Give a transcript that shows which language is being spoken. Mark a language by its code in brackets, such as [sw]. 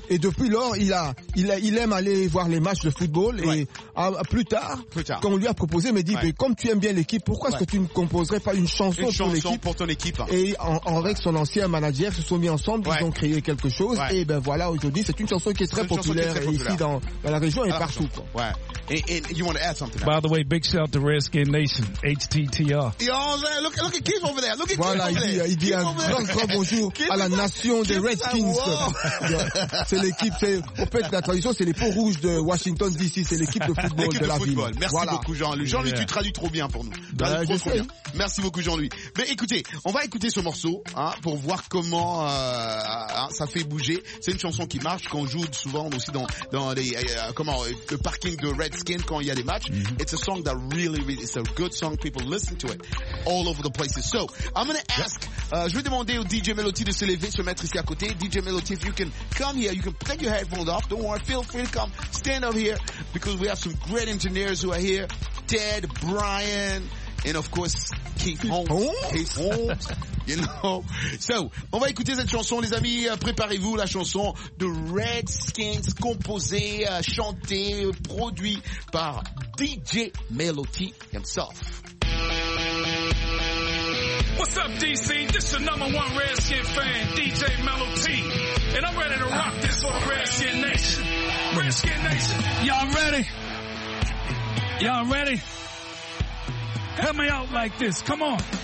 [fr] Et depuis lors, il aime aller voir les matchs de football, et plus tard, quand on lui a proposé, il m'a dit, mais comme tu aimes bien l'équipe, pourquoi est-ce que tu ne composerais pas une chanson pour ton équipe? Avec son ancien manager, se sont mis ensemble, ils ont créé quelque chose, et ben voilà, aujourd'hui, c'est une chanson qui est très populaire ici dans la région et partout. Ouais. [en] And you want to add something? By the way, big shout out to Redskin Nation, HTTR. You know what I'm saying? Look at Keith over there. Look at [fr] voilà, [en] Keith over there. [fr] Voilà, il dit un grand bonjour à la nation des Redskins. C'est l'équipe, c'est, au fait, la tradition, c'est les peaux rouges de Washington DC. C'est l'équipe de football de la ville. Merci beaucoup, Jean-Louis. Jean-Louis, tu traduis trop bien pour nous. Merci beaucoup, Jean-Louis. Mais écoutez, on va écouter ce morceau, hein, pour voir comment, ça fait bouger. C'est une chanson qui marche, qu'on joue souvent aussi dans les, le parking de Redskins quand il y a des matchs. Mm-hmm. [en] It's a song that really, it's a good song. People listen to it all over the places. So, I'm gonna ask, [fr] je vais demander au DJ Melody de se lever, se mettre ici à côté. [en] DJ Melody, if you can come here, you can take your headphones off. Don't worry, feel free to come. Stand up here because we have some great engineers who are here. Ted, Brian, and of course, Keith Holmes. You know. So, [fr] on va écouter cette chanson, les amis. Préparez-vous, la chanson de Redskins, composée, chantée, produite par DJ Melody himself. [en] What's up, DC? This is your number one Redskin fan, DJ Melody. And I'm ready to rock this for the Redskin Nation. Redskin Nation. Y'all ready? Y'all ready? Help me out like this. Come on.